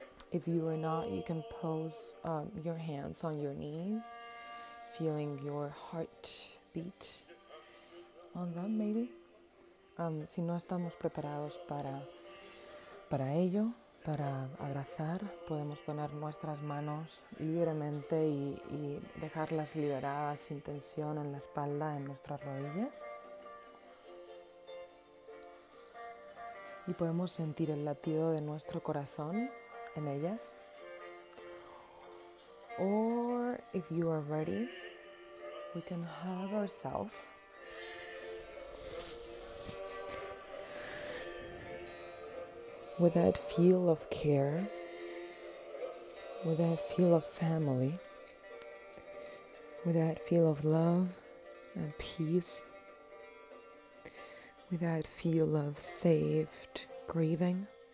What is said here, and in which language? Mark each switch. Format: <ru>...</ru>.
<en>If you are not, you can pose your hands on your knees, feeling your heart beat on them, maybe.</en> <es>Si no estamos preparados para ello, para abrazar, podemos poner nuestras manos libremente y dejarlas liberadas sin tensión en la espalda, en nuestras rodillas. Y podemos sentir el latido de nuestro corazón en ellas.</es> <en>Or if you are ready, we can hug ourselves. With that feel of care, with that feel of family, with that feel of love and peace, with that feel of saved, grieving.</en>